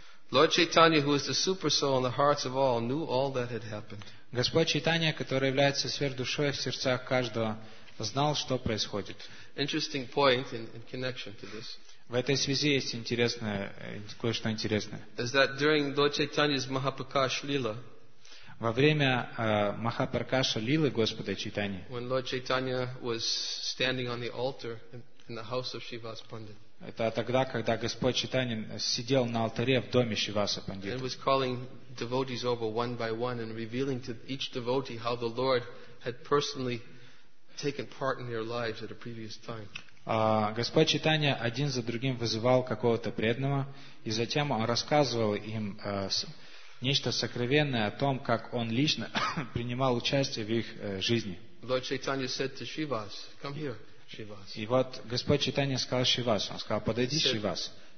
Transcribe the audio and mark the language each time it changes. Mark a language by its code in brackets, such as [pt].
[en] Lord Chaitanya, who is the super soul in the hearts of all, knew all that had happened. [ru] Господь Чайтанья, который является сверхдушой в сердцах каждого, знал, что происходит. [en] Interesting point in connection to this. [ru] В этой связи есть интересное, кое-что интересное. [en] Is that during Lord Chaitanya's Mahaprakash Lila? [ru] Во время Махапракаша Лилы Господа Чайтаньи. [en] When Lord Chaitanya was standing on the altar in the house of Shivas Pandit. [ru] Это тогда, когда Господь Чайтанья сидел на алтаре в доме Шиваса Пандита. [en] And was calling devotees over one by one and revealing to each devotee how the Lord had personally taken part in their lives at a previous time. [ru] Господь Чайтанья один за другим вызывал какого-то преданного, и затем он рассказывал им нечто сокровенное о том, как он лично принимал участие в их жизни. [en] Lord Chaitanya said to Shivas, come here. [ru] И вот Господь Чайтанья сказал Шивас, он сказал, подойди, Шивас.